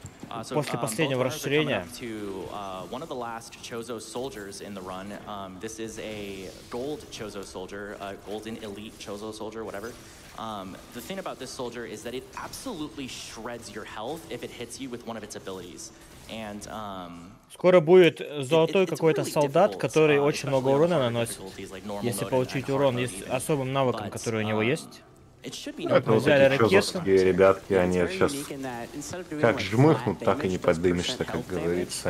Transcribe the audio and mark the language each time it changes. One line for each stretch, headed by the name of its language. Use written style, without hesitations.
Russian: После последнего расширения.
English: One of the last Chozo soldiers in the run. This is a gold Chozo soldier, a golden elite Chozo soldier, whatever. The thing about this soldier is that it absolutely shreds your health if it hits you with one of its abilities. And,
Russian: скоро будет золотой какой-то солдат, который очень много урона наносит, если получить урон с особым навыком, который у него есть. Это вот эти чозовские ребятки, они сейчас как жмыхнут, так и не поднимешься, как говорится.